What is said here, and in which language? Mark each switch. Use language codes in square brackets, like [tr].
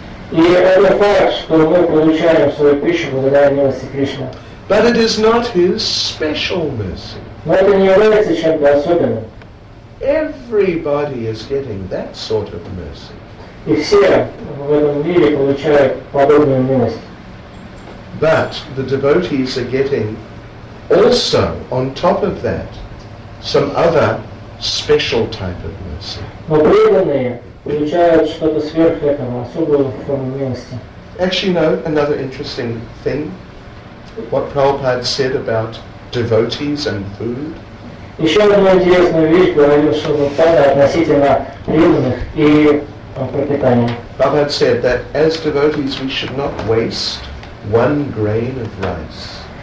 [ru] И это факт, что мы получаем свою пищу благодаря милости Кришны. [en] But it is not his special mercy. [ru] Но это не является чем-то особенным. [en] everybody is getting that sort of mercy. [ru] И все в этом мире получают подобную милость. [en] But the devotees are getting also, on top of that, some other special type of mercy. [ru] Но преданные получают что-то сверх этого, особую форму милости. [en] Actually, no, another interesting thing, what Prabhupada said about devotees and food. [ru] Еще одна интересная вещь говорил, что Прабхупада относительно преданных и [en] Prabhupada said that as devotees we should not waste one grain of rice.